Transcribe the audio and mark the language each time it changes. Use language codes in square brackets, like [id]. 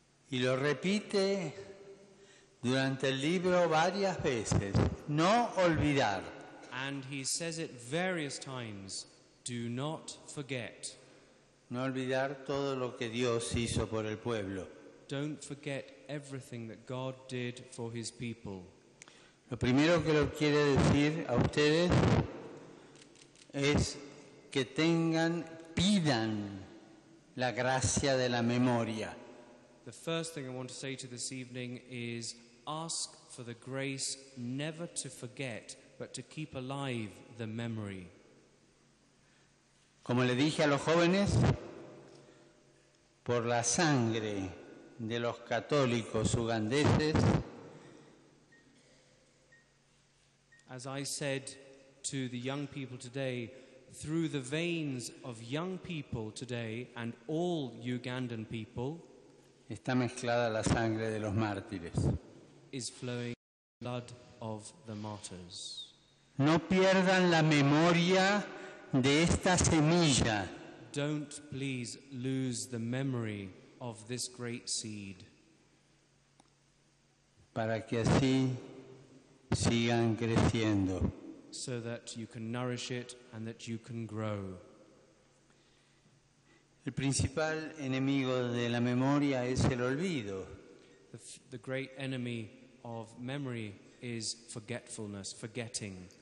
[es] Y lo repite durante el libro varias veces. No olvidar. [en] And he says it various times. Do not forget. [es] No olvidar todo lo que Dios hizo por el pueblo. [en] Don't forget everything that God did for his people. [es] Lo primero que lo quiere decir a ustedes es que tengan, pidan la gracia de la memoria. [en] The first thing I want to say to this evening is ask for the grace never to forget, but to keep alive the memory. [es] Como le dije a los jóvenes, por la sangre de los católicos ugandeses. [en] As I said to the young people today, through the veins of young people today and all Ugandan people, [es] está mezclada la sangre de los mártires. [en] Is flowing blood of the martyrs. [es] No pierdan la memoria de esta semilla. [en] Don't please lose the memory of this great seed. [es] Para que así sigan creciendo. [en] So that you can nourish it and that you can grow. [es] El principal enemigo de la memoria es el olvido. [en] The great enemy of memory is forgetfulness, forgetting.